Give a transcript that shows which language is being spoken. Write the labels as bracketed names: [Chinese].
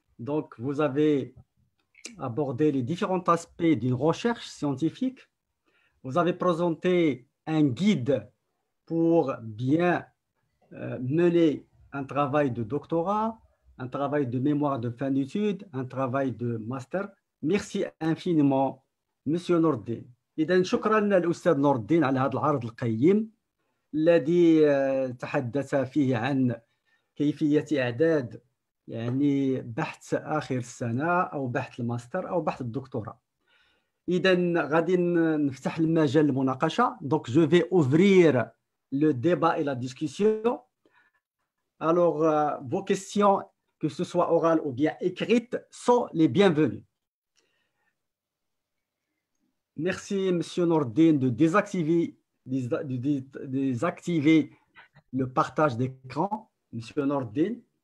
[French] Donc, vous avez abordé les différents aspects d'une recherche scientifique. Vous avez présenté un guide pour bien mener un travail de doctorat, un travail de mémoire de fin d'études, un travail de master. Merci infiniment, monsieur Nourdine. [Arabic] إذن شكرا للأستاذ نور الدين على هذا العرض القيم الذي تحدث فيه عن كيفية إعداد يعني بحث آخر السنة أو بحث الماستر أو بحث الدكتوراه. إذن غادي نفتح المجال للمناقشة. [French] Donc je vais ouvrir le débat et la discussion. Alors vos questions, que ce soit orales ou bien écrites, sont les bienvenues. Merci, monsieur Nourdine, de désactiver le partage d'écran, monsieur Nourdine.